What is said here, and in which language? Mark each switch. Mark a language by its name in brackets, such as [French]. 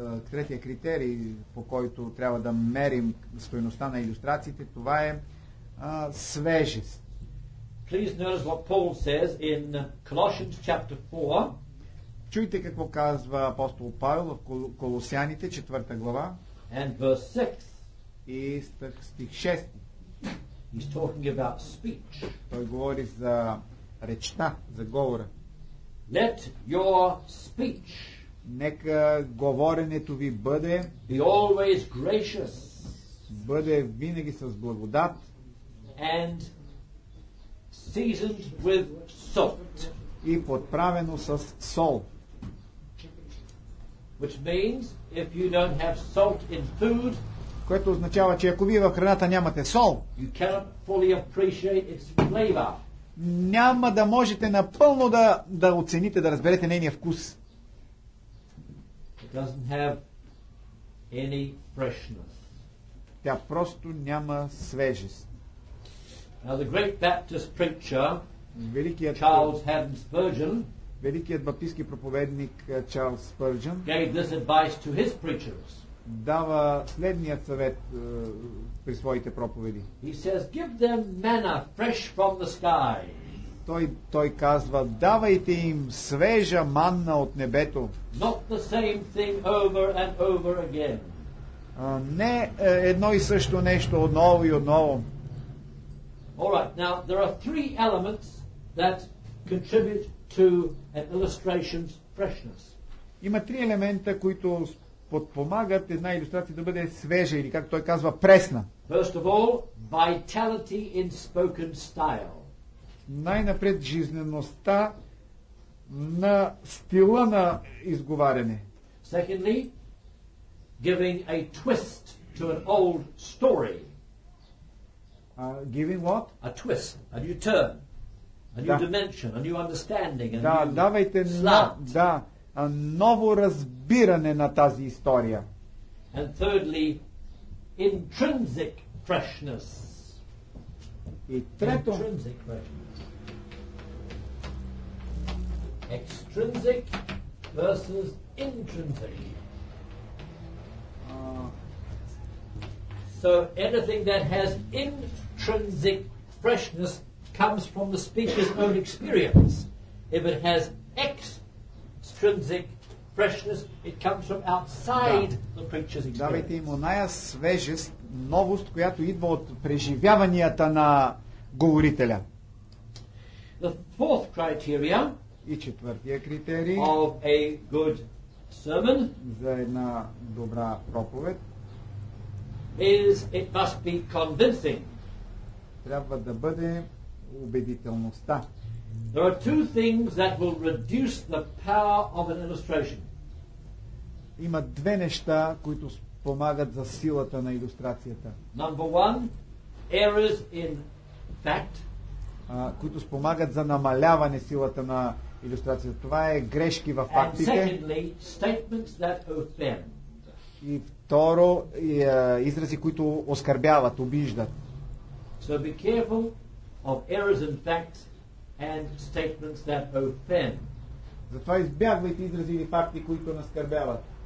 [Bulgarian] Третия критерий, по който трябва да мерим стойността на илюстрациите, това е свежест. [English] Please notice what Paul says in Colossians chapter 4. [Bulgarian] Чуйте какво казва апостол Павел в Колосяните, 4 глава. [English] And verse [Bulgarian] 6. И стих 6. [English] He's talking about speech. [Bulgarian] Той говори за речта, за говора. [English] Let your speech. [Bulgarian] Нека говоренето ви бъде. [English] Be always gracious. [Bulgarian] Бъде винаги с благодат. [English] And seasoned with salt. [Bulgarian] И подправено с сол. [English] Which means if you don't have salt in food, [Bulgarian] което означава, че ако вие в храната нямате сол, [English] you cannot fully appreciate its flavor. [Bulgarian] Няма да можете напълно да оцените, да разберете нейния вкус. [English] It doesn't have any freshness. [Bulgarian] Тя просто няма свежест. [English] Now the great Baptist preacher, [Bulgarian] великият баптистски проповедник Чарлз Спърджън, [English] gave this advice to his preachers. [Bulgarian] Дава следният съвет при своите проповеди. [English] He says, give them manna fresh from the sky. [Bulgarian] Той казва: давайте им свежа манна от небето. [English] Not the same thing over and over again. [Bulgarian] Не едно и също нещо отново и отново. [English] All right, now there are three elements that contribute to an illustration's freshness. [Bulgarian] Има три елемента, които подпомагат една илюстрация да бъде свежа или, както той казва, пресна. [English] First of all, vitality in spoken style. [Bulgarian] Най-напред жизнеността на стила на изговаряне. [English] Secondly, giving a twist to an old story. Giving what? A twist, a new turn, a new dimension, a new understanding, a new [Bulgarian] давайте [English] slant. [Bulgarian] Да, ново разбиране на тази история. [English] And thirdly, intrinsic freshness. [Bulgarian] И трето, [English] intrinsic freshness. Extrinsic versus intrinsic. So anything that has intrinsic freshness comes from the speaker's own experience. If it has extrinsic freshness, it comes from outside the preacher's experience. [Bulgarian] Давайте им оная свежест, новост, която идва от преживяванията на говорителя. [English] The fourth criteria [Bulgarian] и четвъртия критерий [English] of a good sermon [Bulgarian] за една добра проповед [English] is it must be convincing. [Bulgarian] Трябва да бъде убедителността. [English] There are two things that will reduce the power of an illustration. [Bulgarian] Има две неща, които спомагат за силата на илюстрацията. [English] Number one, errors in fact. [Bulgarian] Които спомагат за намаляване силата на илюстрацията. Това е грешки в фактите. [English] And secondly, statements that offend. [Bulgarian] И второ, изрази, които оскърбяват, обиждат. [English] So be careful of errors in fact and statements that offend. [Bulgarian] Затова избягвайте изрази или факти, които наскърбяват.